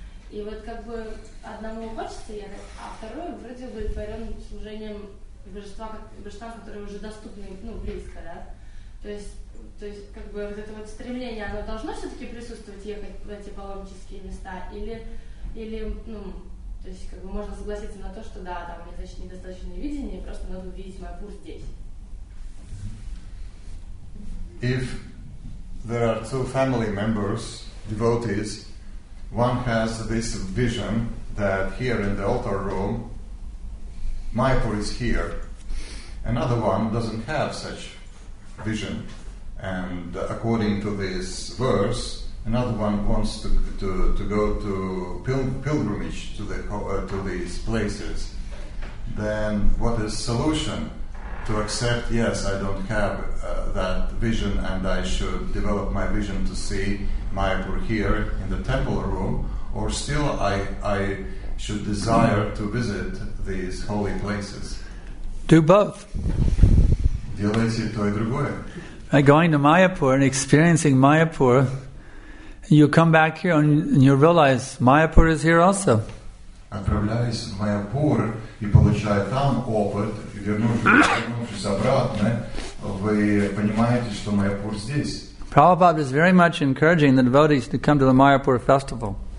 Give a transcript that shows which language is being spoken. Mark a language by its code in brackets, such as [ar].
[ru] И вот как бы одному хочется ехать, а второй вроде бы творен служением божества, которое уже доступно, ну, близко, да? То есть как бы вот это вот стремление, оно должно все-таки присутствовать, ехать в эти паломнические места? Или, то есть как бы можно согласиться на то, что да, там у меня, значит, недостаточное видение, просто надо увидеть Майпур здесь. [en] If there are two family members, devotees, one has this vision that here in the altar room Майпур is here. Another one doesn't have such vision. And according to this verse, another one wants to go to pilgrimage to these places. Then what is solution? To accept, yes, I don't have that vision and I should develop my vision to see Mayapur here in the temple room, or still I should desire to visit these holy places? Do both. [ru] Делайте то и другое. [en] By going to Mayapur and experiencing Mayapur, you come back here and you realize Mayapur is here also. [ru] Отправляясь в Майяпур и получая там опыт, вернувшись обратно, вы понимаете, что Майяпур здесь. [en] Prabhupada is very much encouraging the devotees to come to the Майяпур festival.